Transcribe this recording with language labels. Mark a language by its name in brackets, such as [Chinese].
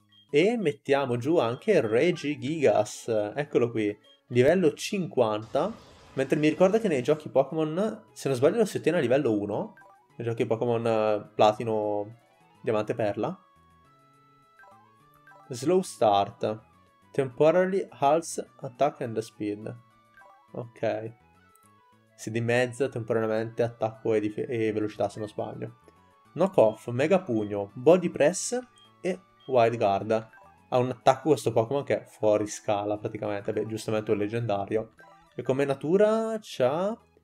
[Italian] E mettiamo giù anche Regigigas, eccolo qui, livello 50. Mentre mi ricordo che nei giochi Pokémon, se non sbaglio, lo si ottiene a livello 1. Nei giochi Pokémon Platino, Diamante e Perla. [English] Slow start. Temporarily halts attack and speed. Ok. [Italian] Si dimezza temporaneamente attacco e velocità, se non sbaglio. Knock off, mega pugno, body press e wild guard. Ha un attacco questo Pokémon che è fuori scala praticamente. Beh, giustamente un leggendario. E come natura c'ha.